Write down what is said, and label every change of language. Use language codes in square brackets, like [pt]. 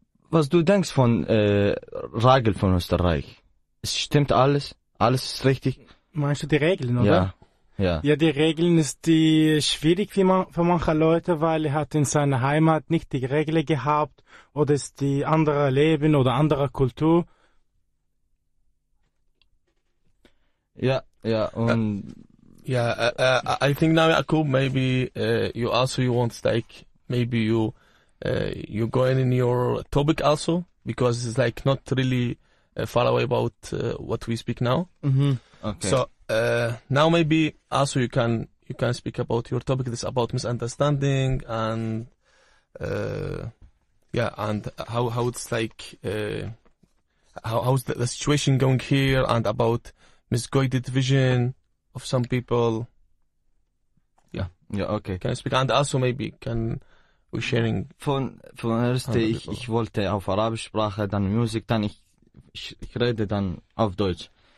[de] Was du denkst von Ragel von Österreich? Stimmt alles? Alles ist richtig. Meinst du die Regeln, oder? Ja. Ja. Ja, die Regeln ist die schwierig für manche Leute, weil er hat in seiner Heimat nicht die Regeln gehabt oder ist die andere Leben oder andere Kultur. Ja, ja, und [en] I think now, Jakub, maybe you also you want to take, maybe you you going in your topic also, because it's like not really far away about what we speak now. Mm-hmm. Okay. So now maybe also you can speak about your topic. This about misunderstanding and and how it's like how's the situation going here and about misguided vision of some people. Yeah. Yeah. Okay. Can I speak and also maybe can. Sharing. [de] Von erste ich wollte auf Arabisch Sprache, dann Musik, dann ich rede dann auf Deutsch.